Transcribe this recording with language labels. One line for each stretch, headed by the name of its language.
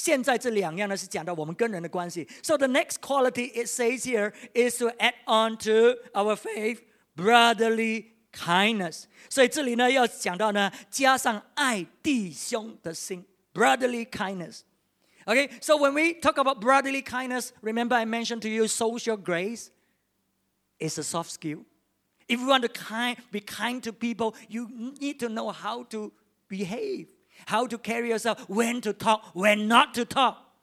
Chinese: 刚才所讲的这五样呢，是关系到我们自己个人的生命，我们怎么样处理我们的生命。现在这两样呢，是讲到我们跟人的关系。
English: So the next quality it says here is to add on to our faith, brotherly kindness.
Chinese: 所以这里呢，要讲到呢，加上爱弟兄的心,
English: brotherly kindness. Okay, so when we talk about brotherly kindness, remember I mentioned to you social grace is a soft skill. If you want to be kind to people, you need to know how to behave, how to carry yourself, when to talk, when not to talk.